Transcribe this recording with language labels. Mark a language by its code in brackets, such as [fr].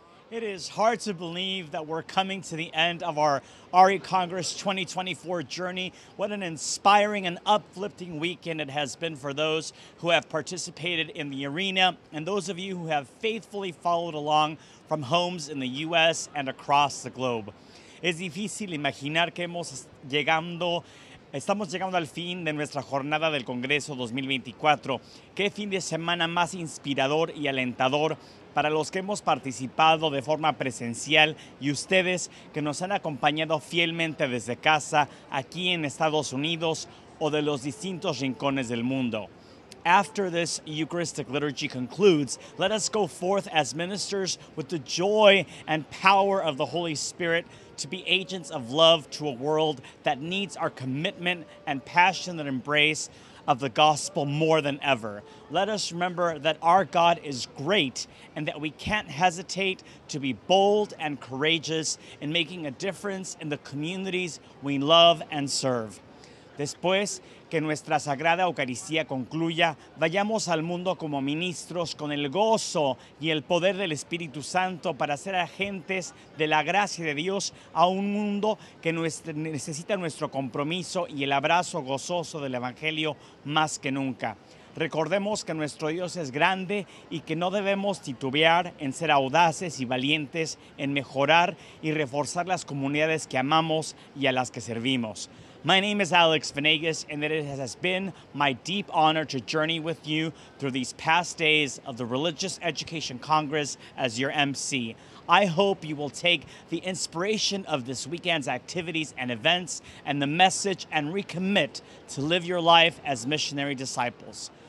[en] It is hard to believe that we're coming to the end of our RECongress 2024 journey. What an inspiring and uplifting weekend it has been for those who have participated in the arena and those of you who have faithfully followed along from homes in the U.S. and across the globe. [es] Es difícil imaginar que estamos llegando al fin de nuestra jornada del Congreso 2024. Qué fin de semana más inspirador y alentador para los que hemos participado de forma presencial y ustedes que nos han acompañado fielmente desde casa, aquí en Estados Unidos o de los distintos rincones del mundo. [en] After this Eucharistic liturgy concludes, let us go forth as ministers with the joy and power of the Holy Spirit to be agents of love to a world that needs our commitment and passionate embrace of the gospel more than ever. Let us remember that our God is great and that we can't hesitate to be bold and courageous in making a difference in the communities we love and serve. [es] Después que nuestra Sagrada Eucaristía concluya, vayamos al mundo como ministros con el gozo y el poder del Espíritu Santo para ser agentes de la gracia de Dios a un mundo que necesita nuestro compromiso y el abrazo gozoso del Evangelio más que nunca. Recordemos que nuestro Dios es grande y que no debemos titubear en ser audaces y valientes en mejorar y reforzar las comunidades que amamos y a las que servimos. [en] My name is Alex Venegas, and it has been my deep honor to journey with you through these past days of the Religious Education Congress as your MC. I hope you will take the inspiration of this weekend's activities and events and the message and recommit to live your life as missionary disciples.